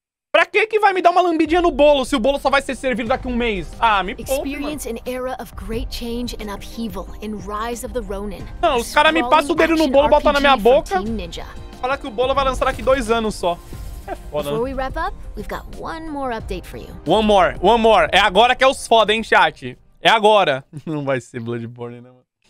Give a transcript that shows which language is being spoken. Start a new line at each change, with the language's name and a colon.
Portuguese: Pra que que vai me dar uma lambidinha no bolo se o bolo só vai ser servido daqui um mês? Ah, me poupa,
English: experience
Portuguese: mano.
English: An era of great change and upheaval in Rise of the Ronin.
Portuguese: Não, os caras me passam o dedo no bolo, botam na minha boca. Fala que o bolo vai lançar daqui dois anos só. É foda.
English: Before we wrap up, we've got one more update for you. One more.
Portuguese: É agora que é os foda, hein, chat. É agora. Não vai ser Bloodborne, né, mano?